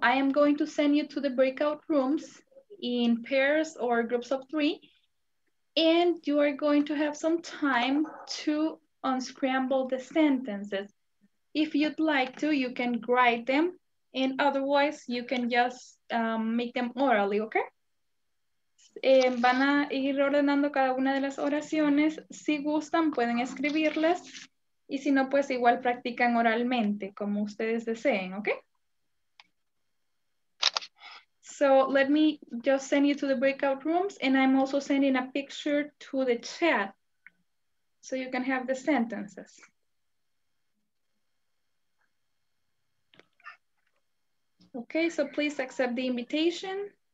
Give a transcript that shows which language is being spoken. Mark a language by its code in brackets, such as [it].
[en] I am going to send you to the breakout rooms in pairs or groups of three, and you are going to have some time to unscramble the sentences. If you'd like to, you can write them, and otherwise you can just make them orally, okay? [es] Van a ir ordenando cada una de las oraciones. Si gustan, pueden escribirlas. Y si no, pues igual practican oralmente, como ustedes deseen, ¿ok? [en] So let me just send you to the breakout rooms, and I'm also sending a picture to the chat so you can have the sentences. Okay, so please accept the invitation.